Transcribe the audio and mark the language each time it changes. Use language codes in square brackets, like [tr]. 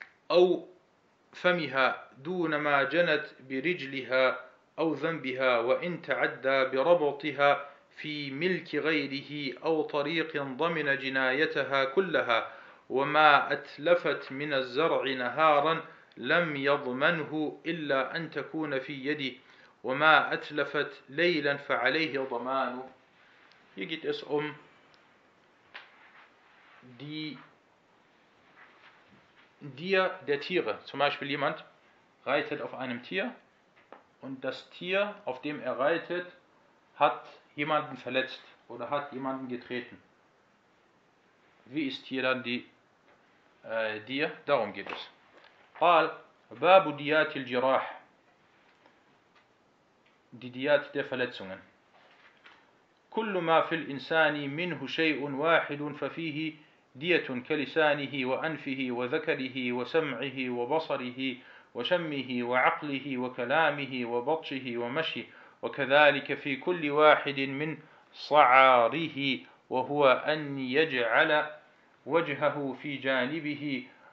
[ar] أو فمها دون ما جنت برجلها أو ذنبها، وإن تعدى بربطها في ملك غيره أو طريق ضمن جنايتها كلها، وما أتلفت من الزرع نهارا لم يضمنه إلا أن تكون في يده، وما أتلفت ليلا فعليه ضمان. [de] Hier geht es um die Dir der Tiere. Zum Beispiel jemand reitet auf einem Tier und das Tier, auf dem er reitet, hat jemanden verletzt oder hat jemanden getreten. Wie ist hier dann die Dir? Darum geht es. [ar] قال باب ديات الجراح، [de] die Diat der Verletzungen. [ar] كل ما في الإنسان منه شيء واحد ففيه دية كلسانه وأنفه وذكره وسمعه وبصره وشمه وعقله وكلامه وبطشه ومشي، وكذلك في كل واحد من صعاره، وهو أن يجعل وجهه في جانبه